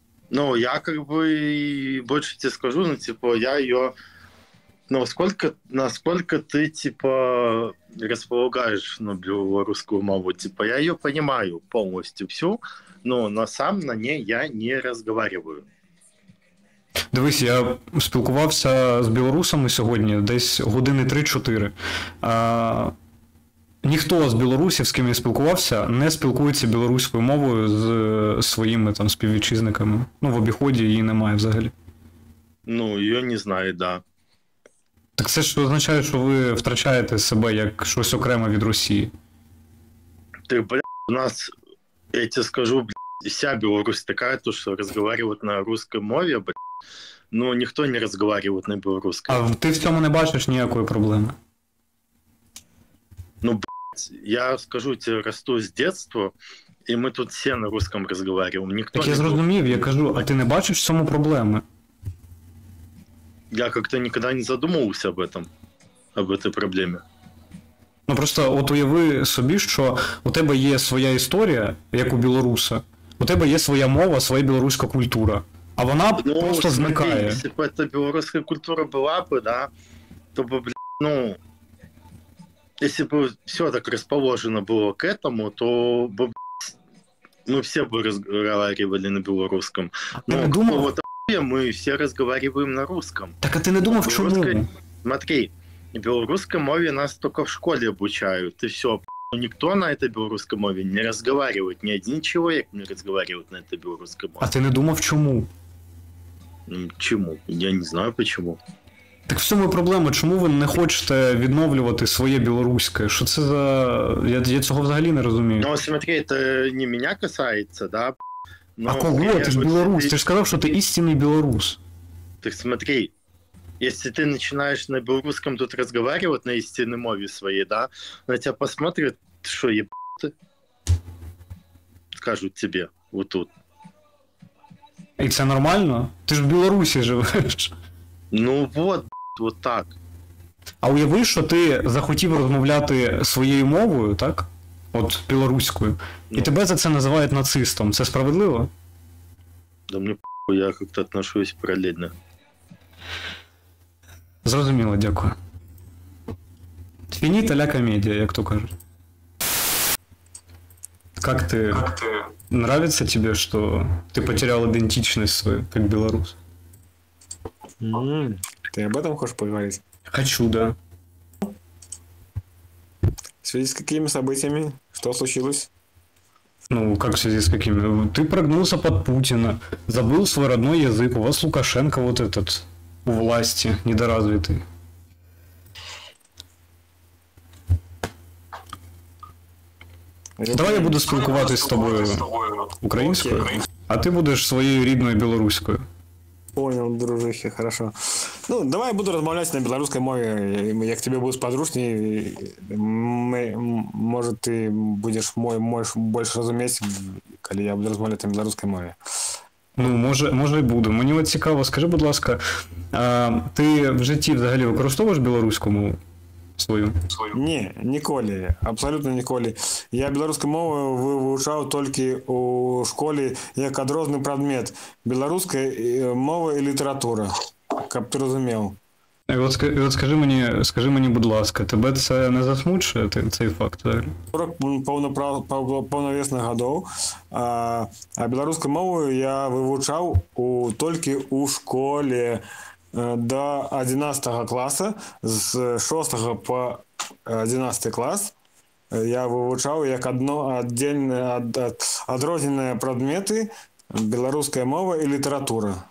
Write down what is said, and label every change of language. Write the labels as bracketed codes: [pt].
[ru] Ну, я как бы больше тебе скажу, ну, типа, я ее... Ну, насколько ты, типа, располагаешь на белорусскую мову? Типа, я ее понимаю полностью всю, но сам на ней я не разговариваю. [uk] Дивись, я спілкувався з білорусами сьогодні десь години 3-4. Ніхто з білорусів, з ким я спілкувався, не спілкується білоруською мовою з своїми там співвітчизниками. Ну, в обіході її немає взагалі. Ну, я не знаю, так. Да. Так це ж означає, що ви втрачаєте себе як щось окреме від Росії. Ти, блядь, у нас, я тебе скажу, блядь, вся Білорусь така, то, що розмовляють на русській мові, блядь. Ну, ніхто не розмовляє на білоруській. А ти в цьому не бачиш ніякої проблеми? Ну, блядь, я скажу тебе, росту з дитинства, і ми тут всі на русському розмовляємо. Так я зрозумів, я кажу, а ти не бачиш в цьому проблеми? [ru] Я как-то никогда не задумывался об этом, об этой проблеме. [uk] Ну просто от уяви собі, що у тебе є своя історія, як у білоруса, у тебе є своя мова, своя білоруська культура, а вона ну, просто [ru] смотри, [uk] зникає. Ну, якщо б ця білоруська культура була б, да, то б, ну, якщо б все так розположено було [ru] к этому, [uk] то б, ми всі б розмовляли на білоруському. Ну, не думав? Вот, [ru] мы все разговариваем на русском. Так а ты не думал, в чём? Смотри, белорусской мове нас только в школе обучают, и всё. Но никто на этой белорусской мове не разговаривает, ни один человек не разговаривает на этой белорусской мове. А ты не думал, в чём? Чему? Я не знаю, почему. Так в чём проблема? [uk] Чому [ru] вы не хотите [uk] відновлювати своє білоруське? Що це за... Я цього взагалі не розумію. [ru] Ну смотри, это не меня касается, да? Но а кого? Ты ж белорус. Ты ж сказал, что ты истинный белорус. Так смотри, если ты начинаешь на белорусском тут разговаривать на истинной мове своей, да, на тебя посмотрят, что ебать, скажут тебе вот тут. И это нормально? Ты ж в Беларуси живешь. Ну вот, вот так. А уяви, что ты захотел разговаривать своей мовою, так? [uk] От білоруською. Ну. І тебе за це називають нацистом. Це справедливо? Да мені похуй, я як-то відношусь паралельно. Зрозуміло, дякую. Фініта ля комедія, як то кажуть. [ru] Как ты... Нравится тебе, что ты потерял идентичность свою, как белорус? Ты об этом хочешь поговорить? Хочу, да. В связи с какими событиями? Что случилось? Ну, как в связи с какими? Ты прогнулся под Путина, забыл свой родной язык, у вас Лукашенко вот этот, у власти, недоразвитый. Давай я буду [uk] спілкуватись [ru] с тобой украинскую, а ты будешь своей [uk] рідною белоруською. [ru] Понял, дружище, хорошо. Ну, давай я буду [uk] розмовляти [ru] на белорусской мове, [uk] як тебе буде подружней, [ru] может, ты будешь больше розуміти, коли я буду розмовляти на белорусской мове. [uk] Ну, може і буду. Мені от цікаво, скажи, будь ласка, ти в житті взагалі використовуєш білоруську мову? Свою. [ru] Не, николи, абсолютно николи. Я белорусскую мову выучал только у школе как отдельный предмет. Белорусская мова и литература, как ты разумел. И вот скажи мне, будь ласка, тебе это не засмучает, цей факт? 40 полновесных годов, а белорусскую мову я выучал только у школе. [be] До 11 класса, з 6 по 11 клас я вывучаў як адно аддзельныя адрозненыя прадметы беларуская мова і літаратура.